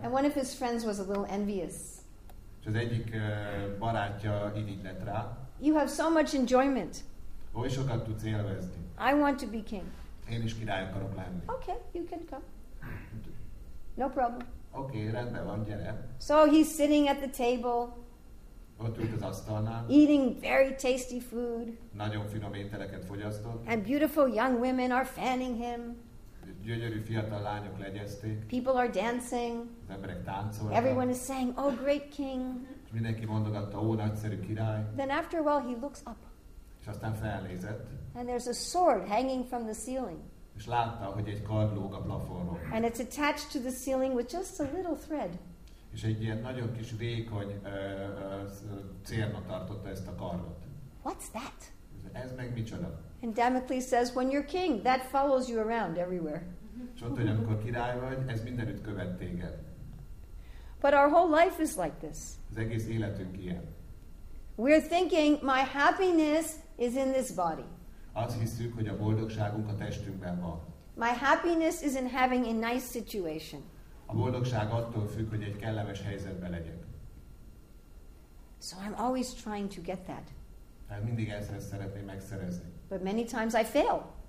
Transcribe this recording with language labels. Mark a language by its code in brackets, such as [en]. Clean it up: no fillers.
[en] And one of his friends was a little envious. [hu] És az egyik barátja irigylett rá. [en] You have so much enjoyment. [hu] Oly sokat tudsz élvezni. [en] I want to be king. [hu] Én is király akarok lenni. [en] Okay, you can come. No problem. [hu] Okay, rendben van, gyere. [en] So he's sitting at the table. [hu] Ott ült az asztalnál. [en] Eating very tasty food. [hu] Nagyon finom ételeket fogyasztott. [en] And beautiful young women are fanning him. [hu] Gyönyörű fiatal lányok legyezték. [en] People are dancing. [hu] Az emberek táncolnak. [en] Everyone is saying, "Oh, great king." [hu] Mindenki mondogatta, "Ó, nagyszerű király." [en] Then after a while, he looks up. [hu] És aztán felnézett. [en] And there's a sword hanging from the ceiling. [hu] És látta, hogy egy kard lóg a plafonon. [en] And it's attached to the ceiling with just a little thread. [hu] És egy ilyen nagyon kis vékony cérna tartotta ezt a kardot. [en] What's that? [hu] Ez meg micsoda? [en] And Damocles says, when you're king, that follows you around everywhere. [hu] És ott, hogy amikor király vagy, ez mindenütt követ téged. [en] But our whole life is like this. [hu] Az egész életünk ilyen. [en] We're thinking, my happiness is in this body. [hu] Azt hiszük, hogy a boldogságunk a testünkben van. [en] My happiness is in having a nice situation. [hu] A boldogság attól függ, hogy egy kellemes helyzetben legyek. [en] So I'm always trying to get that. [hu] Tehát mindig ezt szeretném megszerezni. [en] But many times I fail.